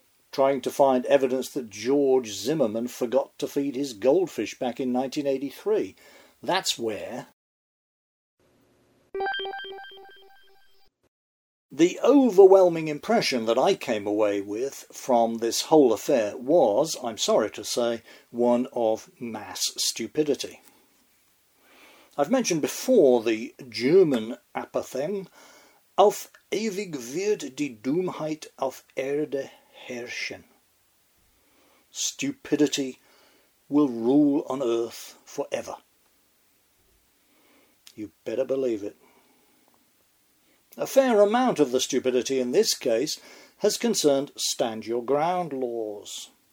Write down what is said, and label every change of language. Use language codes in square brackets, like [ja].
[en] Trying to find evidence that George Zimmerman forgot to feed his goldfish back in 1983. That's where. The overwhelming impression that I came away with from this whole affair was, I'm sorry to say, one of mass stupidity. I've mentioned before the German apothegm, [de] auf ewig wird die Dummheit auf Erde herrschen. [en] Stupidity will rule on earth forever. You better believe it. A fair amount of the stupidity in this case has concerned stand-your-ground laws.